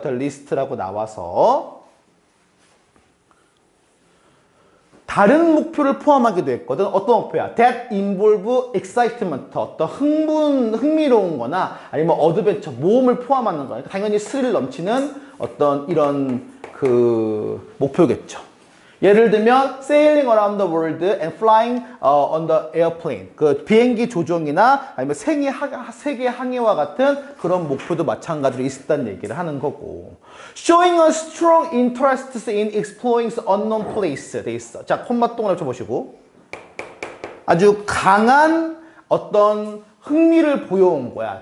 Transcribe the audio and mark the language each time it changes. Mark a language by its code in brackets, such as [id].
[en] The list [ko] 라고 나와서 다른 목표를 포함하기도 했거든. 어떤 목표야? [en] That involve excitement. [ko] 어떤 흥미로운 거나 아니면 어드벤처, 모험을 포함하는 거니까 당연히 스릴 넘치는 어떤 이런 그 목표겠죠. 예를 들면 [en] sailing around the world and flying on the airplane. [ko] 그 비행기 조종이나 아니면 세계 항해와 같은 그런 목표도 마찬가지로 있었다는 얘기를 하는 거고. [en] Showing a strong interest in exploring unknown place [ko] 돼 있어. 자, 콤마 동안 쳐보시고 아주 강한 어떤 흥미를 보여온 거야.